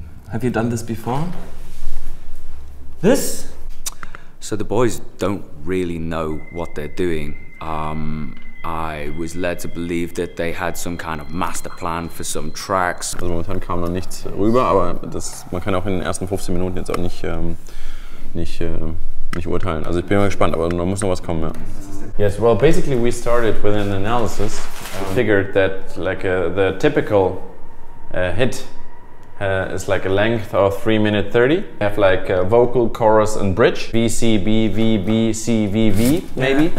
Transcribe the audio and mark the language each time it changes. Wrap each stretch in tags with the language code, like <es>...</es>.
<en>Have you done this before? This? So the boys don't really know what they're doing. I was led to believe that they had some kind of master plan for some tracks.</en> <de>Also momentan kam noch nichts rüber, aber man kann auch in den ersten 15 Minuten jetzt auch nicht nicht urteilen. Also ich bin mal gespannt, aber da muss noch was kommen. Ja.</de> <en>Yes, well, basically we started with an analysis. We figured that like the typical hit is like a length of 3 minute 30. We have like a vocal, chorus and bridge. V, C, B, V, B, C, V, V, maybe. Yeah,</en>